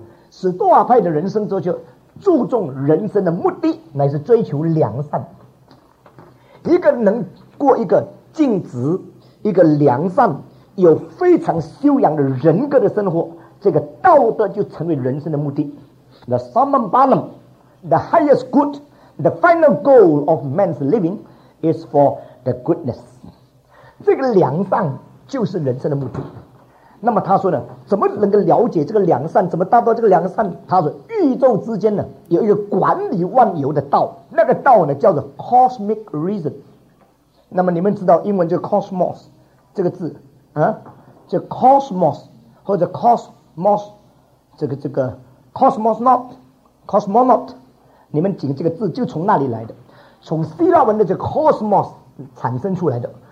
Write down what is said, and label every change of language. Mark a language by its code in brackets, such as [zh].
[zh] 史多瓦派的人生哲学注重人生的目的，乃是追求良善。一个能过一个尽职、一个良善、有非常修养的人格的生活，这个道德就成为人生的目的。 [en] The summum bonum, the highest good, the final goal of man's living is for the goodness. [zh] 这个良善就是人生的目的。那么他说呢，怎么能够了解这个良善，怎么达到这个良善？他说宇宙之间呢有一个管理万有的道，那个道呢叫做 cosmic reason。那么你们知道英文就 cosmos 这个字啊，就 cosmos 或者 cosmos 这个 cosmonaut cosmonaut， 你们仅这个字就从那里来的，从希腊文的这个 cosmos 产生出来的。